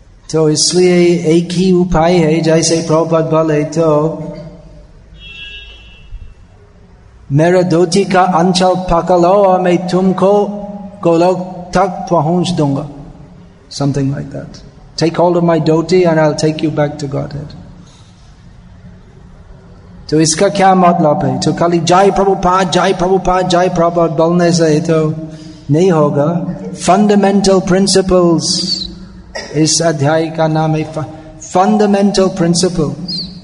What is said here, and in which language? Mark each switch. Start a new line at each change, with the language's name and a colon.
Hindi: तो इसलिए एक ही उपाय है जैसे प्रभुपाद बोले तो मेरा धोती का अंचल पकड़ लो और मैं तुमको गोलोक तक पहुंच दूंगा.
English: Something like that. Take hold of my dhoti and I'll take you back to Godhead.
Hindi: तो इसका क्या मतलब है? तो खाली जय प्रभुपाद, जय प्रभुपाद, जय प्रभुपाद बोलने से तो नहीं होगा.
English: Fundamental principles.
Hindi: इस अध्याय का नाम है फंडामेंटल प्रिंसिपल्स.